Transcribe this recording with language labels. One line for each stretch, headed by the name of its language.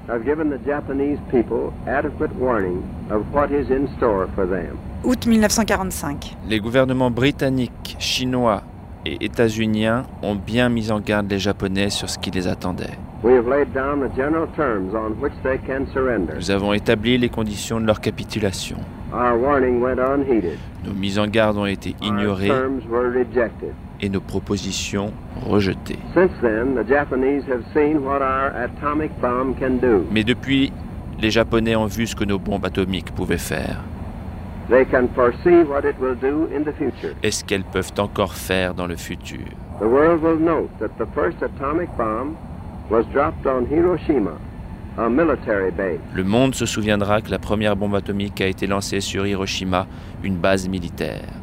English: have given the Japanese people adequate warning of what is in store for them.
French: Août 1945. Les gouvernements britanniques, chinois et états-uniens ont bien mis en garde les Japonais sur ce qui les attendait.
English: We have laid down the general terms on which they can surrender.
French: Nous avons établi les conditions de leur capitulation.
English: Our warning went unheeded.
French: Nos mises en garde ont été ignorées.
English: Our terms were rejected.
French: Et nos propositions rejetées.
English: Since then, the Japanese have seen what our atomic bomb can do.
French: Mais depuis, les Japonais ont vu ce que nos bombes atomiques pouvaient faire.
English: They can foresee what it will do in the future.
French: Est-ce qu'elles peuvent encore faire dans le futur?
English: The world will note that the first atomic bomb was dropped on Hiroshima
French: Le monde se souviendra que la première bombe atomique a été lancée sur Hiroshima, une base militaire.